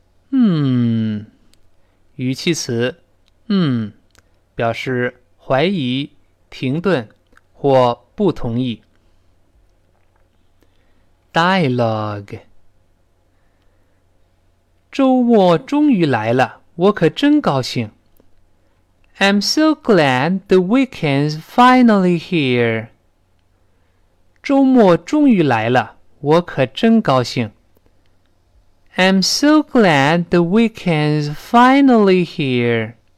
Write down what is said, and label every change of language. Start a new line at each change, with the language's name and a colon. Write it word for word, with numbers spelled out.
Chinese: 嗯，语气词嗯表示怀疑、停顿或不同意。
English: Dialogue，
Chinese: 周末终于来了，我可真高兴。
English: I'm so glad the weekend's finally here。
Chinese: 周末终于来了，我可真高兴。
English: I'm so glad the weekend's finally here.